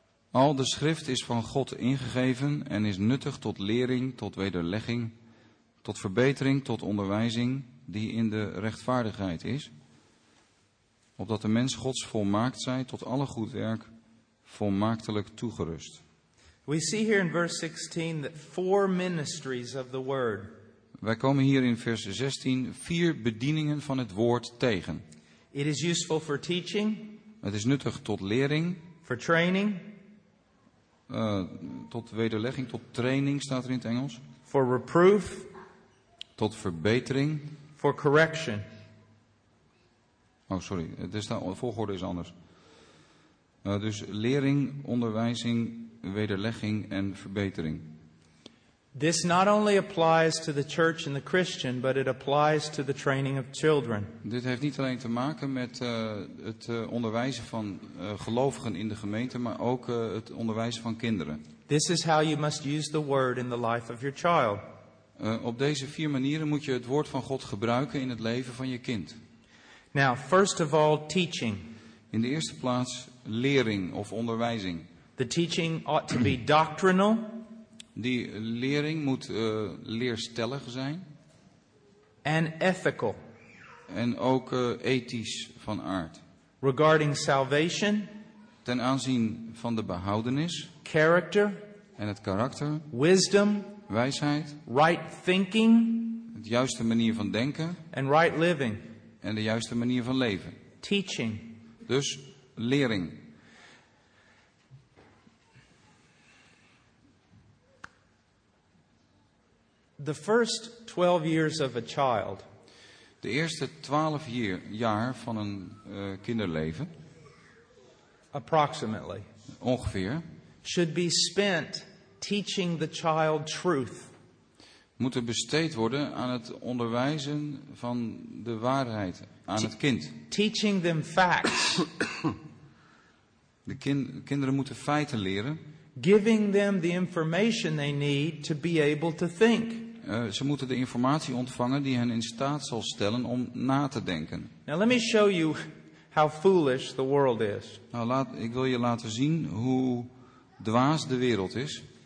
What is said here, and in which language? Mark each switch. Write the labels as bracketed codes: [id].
[nl] Al de schrift is van God ingegeven en is nuttig tot lering, tot wederlegging, tot verbetering, tot onderwijzing die in de rechtvaardigheid is. Opdat de mens Gods volmaakt zij tot alle goed werk volmaaktelijk toegerust. [en] We see here in verse 16 that four ministries of the word. [nl] Wij komen hier in vers 16 vier bedieningen van het woord tegen. [en] It is useful for teaching. [nl] Het is nuttig tot lering. [en] For training. [nl] Tot wederlegging, tot training staat er in het Engels. [en] For reproof. [nl] Tot verbetering. [en] For correction. [nl] Oh, sorry, de volgorde is anders. Dus lering, onderwijzing, wederlegging en verbetering. [en] This not only applies to the church and the Christian, but it applies to the training of children. [nl] Dit heeft niet alleen te maken met het onderwijzen van gelovigen in de gemeente, maar ook het onderwijzen van kinderen. [en] This is how you must use the word in the life of your child. [nl] Op deze vier manieren moet je het woord van God gebruiken in het leven van je kind. [en] Now, first of all, teaching. [nl] In de eerste plaats lering of onderwijzing. [en] The teaching ought to be doctrinal. [nl] Die lering moet leerstellig zijn. [en] And ethical. [nl] En ook ethisch van aard. [en] Regarding salvation. [nl] Ten aanzien van de behoudenis. [en] Character. [nl] En het karakter. [en] Wisdom. [nl] Wijsheid. [en] Right thinking. [nl] De juiste manier van denken. [en] And right living. [nl] En de juiste manier van leven. [en] Teaching. [nl] Dus lering. [en] The first 12 years of a child. [nl] De eerste 12 jaar van een kinderleven. [en] Approximately. [nl] Ongeveer. [en] Should be spent teaching the child truth. [nl] Moeten besteed worden aan het onderwijzen van de waarheid aan het kind. [en] Teaching them facts. [nl] De kinderen moeten feiten leren. [en] Giving them the information they need to be able to think. [nl] Ze moeten de informatie ontvangen die hen in staat zal stellen om na te denken. [en] Now let me show you how foolish the world is. [nl] Nou, ik wil je laten zien hoe dwaas de wereld is.